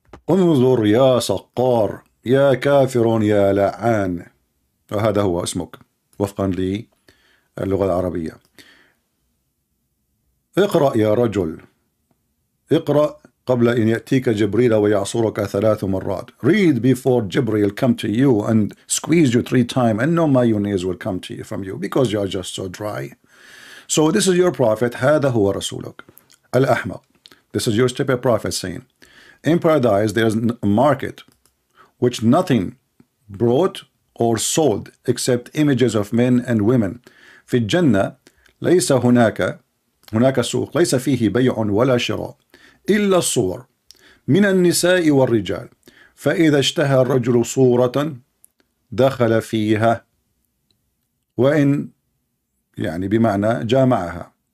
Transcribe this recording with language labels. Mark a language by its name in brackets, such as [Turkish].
[Arabic] انظر يا سقار يا كافر يا لعان، وهذا هو اسمك وفقا للغة العربية. اقرأ يا رجل، اقرأ قبل أن يأتيك جبريل ويعصرك ثلاث مرات. [English] Read before Jibril come to you and squeeze you three times, and no mayonnaise will come to you from you because you are just so dry. So this is your prophet. [Arabic] هذا هو رسولك الأحمق. [English] This is your stupid prophet saying, in paradise there is a market which nothing brought or sold except images of men and women. [Arabic] في الجنة ليس هناك هناك سوق ليس فيه بيع ولا شراء إلا الصور من النساء والرجال. فإذا اشتهى الرجل صورة دخل فيها، وإن يعني بمعنى جامعها.